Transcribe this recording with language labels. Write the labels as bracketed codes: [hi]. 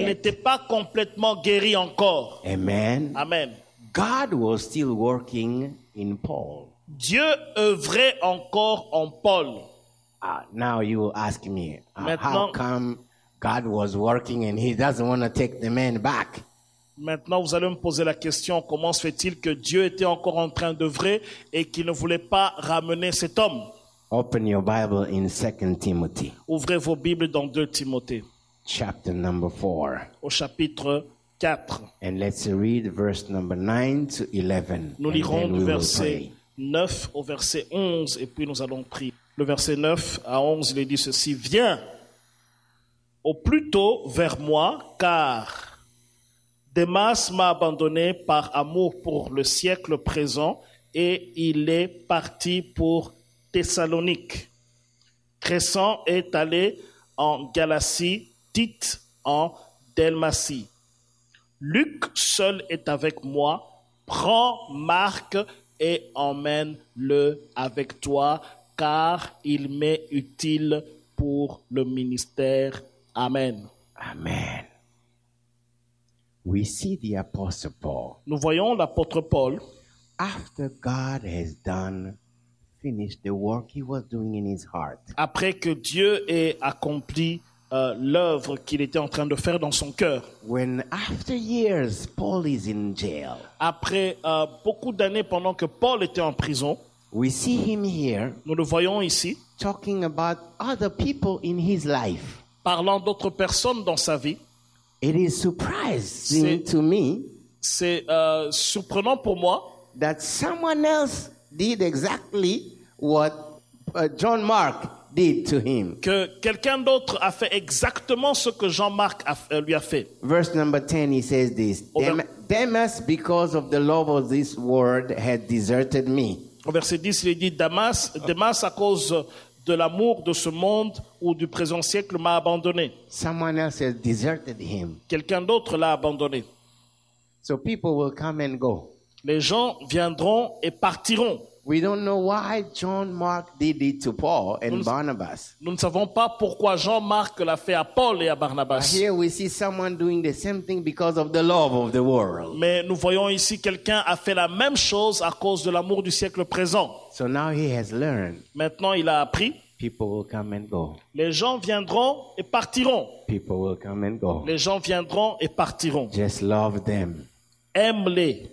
[fr] Il n'était pas complètement guéri encore. [en] Amen. [fr] Amen. [en] God was still working in Paul. [fr] Dieu œuvrait encore en Paul. [en] Now you ask me, how come God was working and he doesn't want to take the man back? [fr] Maintenant, vous allez me poser la question, comment se fait-il que Dieu était encore en train d'œuvrer et qu'il ne voulait pas ramener cet homme? [en] Open your Bible in 2 Timothy. [fr] Ouvrez vos Bibles dans 2 Timothée. [en] Chapter number 4. [fr] Au chapitre 4. [en] And let's read verse number 9 to 11. [fr] Nous lirons le verset 9 au verset 11 et puis nous allons prier. Le verset 9 à 11, il est dit ceci. Viens au plus tôt vers moi, car Démas m'a abandonné par amour pour le siècle présent et il est parti pour Thessalonique. Crescent est allé en Galatie, Tite en Dalmatie. Luc seul est avec moi. Prends Marc et emmène-le avec toi, car il m'est utile pour le ministère. Amen. [en] Amen. We see the Apostle Paul. [fr] Nous voyons l'apôtre Paul. [en] After God has finished the work he was doing in his heart. [fr] Après que Dieu ait accompli l'œuvre qu'il était en train de faire dans son cœur. [en] When after years Paul is in jail. [fr] Après beaucoup d'années pendant que Paul était en prison. [en] We see him here. [fr] Nous le voyons ici. [en] Talking about other people in his life. [fr] Parlant d'autres personnes dans sa vie. [en] It is surprising to me. [fr] C'est surprenant pour moi. [en] That someone else did exactly what John Mark did to him. [fr] Que quelqu'un d'autre a fait exactement ce que Jean-Marc lui a fait. [en] Verse number 10, he says this. Damas, because of the love of this world, had deserted me. [fr] Au verset 10, il dit Damas, à cause de l'amour de ce monde ou du présent siècle, m'a abandonné. [en] Someone else has deserted him. [fr] Quelqu'un d'autre l'a abandonné. [en] So people will come and go. [fr] Les gens viendront et partiront. [en] We don't know why John Mark did it to Paul and Barnabas. [fr] Nous ne savons pas pourquoi Jean-Marc l'a fait à Paul et à Barnabas. [en] But here we see someone doing the same thing because of the love of the world. [fr] Mais nous voyons ici quelqu'un a fait la même chose à cause de l'amour du siècle présent. [en] So now he has learned. [fr] Maintenant il a appris. [en] People will come and go. [fr] Les gens viendront et partiront. [en] People will come and go. [fr] Les gens viendront et partiront. [en] Just love them. [fr] Aime-les